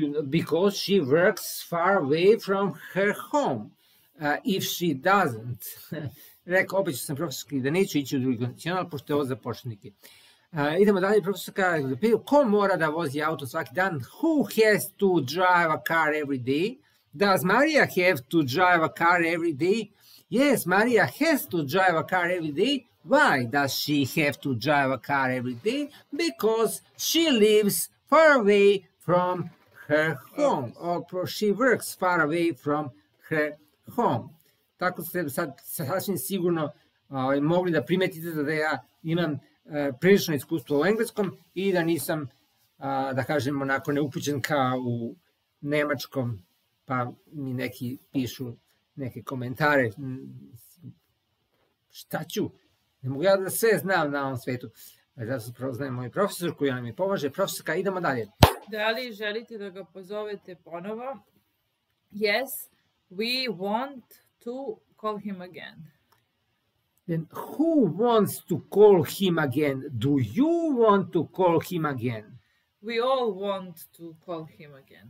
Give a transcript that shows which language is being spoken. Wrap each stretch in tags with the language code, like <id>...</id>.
<en>Because she works far away from her home. If she doesn't.</en> <sr>Rekao, opet ću sam profesorski da neću ići u drugi kondicional, pošto je ovo za početnike. Idemo dalje, profesorka, ko mora da vozi auto svaki dan?</sr> <en>Who has to drive a car every day? Does Maria have to drive a car every day? Yes, Maria has to drive a car every day. Why does she have to drive a car every day? Because she lives far away from her home. Or she works far away from her home.</en> <sr>Tako ste sad sasvim sigurno mogli da primetite da ja imam prilično iskustvo u engleskom i da nisam, da kažem, onako neupućen kao u nemačkom, pa mi neki pišu neke komentare. Šta ću? Ne mogu ja da sve znam na ovom svetu. Zato prvo znam moj profesor koji nam je pomaže. Profesorka, idemo dalje. Da li želite da ga pozovete ponovo?</sr> <en>Yes, we want to call him again. Then who wants to call him again? Do you want to call him again? We all want to call him again.</en>